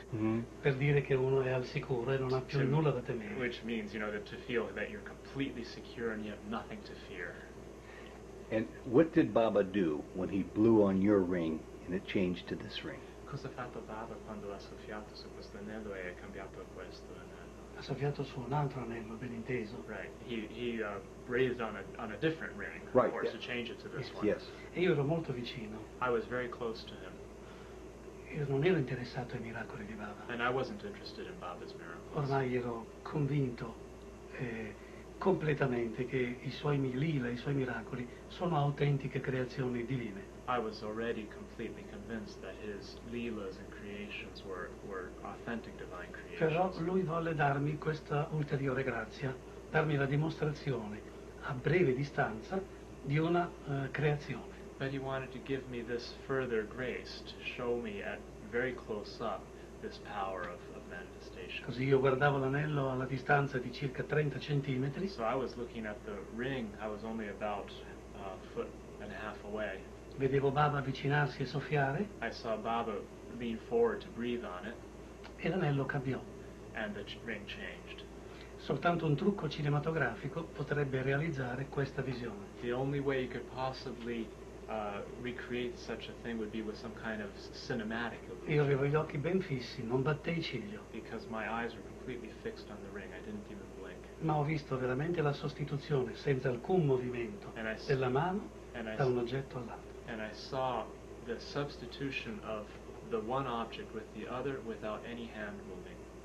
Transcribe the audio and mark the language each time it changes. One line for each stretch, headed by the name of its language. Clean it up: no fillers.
Italian: Mm-hmm. Per dire che uno è al sicuro e non ha più nulla da temere.
English: Which means, you know, that to feel that you're completely secure and you have nothing to fear. And what did Baba do when he blew on your ring and it changed to this ring?
Italian: Cosa ha fatto Baba quando ha soffiato su questo anello e ha cambiato questo anello? Ha soffiato su un altro anello, ben inteso.
English: Right. He breathed on a different ring, right, of course, yeah, to change it to this, yes, one. Yes.
Italian: E io ero molto vicino.
English: I was very close to him.
Italian: Io non ero interessato ai miracoli di Baba.
English: And I wasn't interested in Baba's miracles.
Italian: Ormai ero convinto completamente che i suoi lila, i suoi miracoli sono autentiche creazioni divine.
English: I was already completely convinced that his lilas and creations were authentic divine creations.
Italian: Però lui volle darmi questa ulteriore grazia, darmi la dimostrazione a breve distanza di una creazione.
English: But he wanted to give me this further grace to show me at very close up this power of manifestation.
Italian: Così io guardavo l'anello alla distanza di circa 30 centimetri.
English: So I was looking at the ring, I was only about a foot and a half away.
Italian: Vedevo Baba avvicinarsi e soffiare.
English: I saw Baba lean forward to breathe on it.
Italian: E l'anello cambiò.
English: And the ring changed.
Italian: Soltanto un trucco cinematografico potrebbe realizzare questa visione.
English: The only way you could possibly recreate such a thing would be with some kind of cinematic illusion.
Italian: Io avevo gli occhi ben fissi, non battei ciglio.
English: Because my eyes were completely fixed on the ring, I didn't even blink.
Italian: Ma ho visto veramente la sostituzione, senza alcun movimento, della mano da un oggetto all'altro.
English: And I saw the substitution of the one object with the other without any hand moving.